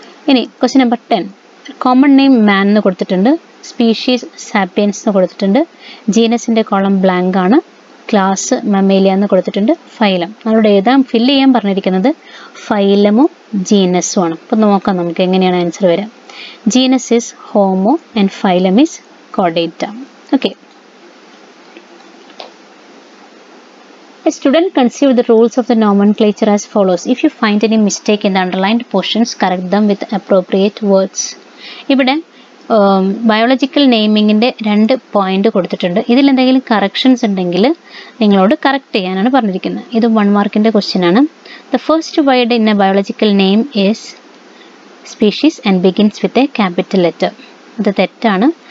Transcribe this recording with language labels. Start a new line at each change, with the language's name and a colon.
Malayalam: ഇനി question number 10, common name മാൻ എന്ന് കൊടുത്തിട്ടുണ്ട്, സ്പീഷീസ് സാപ്പിയൻസ് എന്ന് കൊടുത്തിട്ടുണ്ട്, ജീനസിൻ്റെ കോളം ബ്ലാങ്ക് ആണ്, ക്ലാസ് മമേലിയ എന്ന് കൊടുത്തിട്ടുണ്ട്, ഫൈലം. നമ്മളുടെ ഏതാണ് ഫിൽ ചെയ്യാൻ പറഞ്ഞിരിക്കുന്നത്? ഫൈലമും ജീനസും ആണ്. അപ്പം നോക്കാം നമുക്ക് എങ്ങനെയാണ് ആൻസർ വരിക.
English: Genus is homo and phylum is chordata. Okay, A student conceived the rules of the nomenclature as follows. If you find any mistake in the underlined portions, correct them with appropriate words.
Malayalam: ഇവിടെ biological നെയിമിങ്ങിൻ്റെ രണ്ട് point കൊടുത്തിട്ടുണ്ട്. ഇതിൽ എന്തെങ്കിലും corrections ഉണ്ടെങ്കിൽ നിങ്ങളോട് correct ചെയ്യാനാണ് പറഞ്ഞിരിക്കുന്നത്. ഇത് വൺ മാർക്കിൻ്റെ ക്വസ്റ്റ്യൻ ആണ്.
English: The first word in a biological name is species and begins with a capital letter.
Malayalam: അത് തെറ്റാണ്.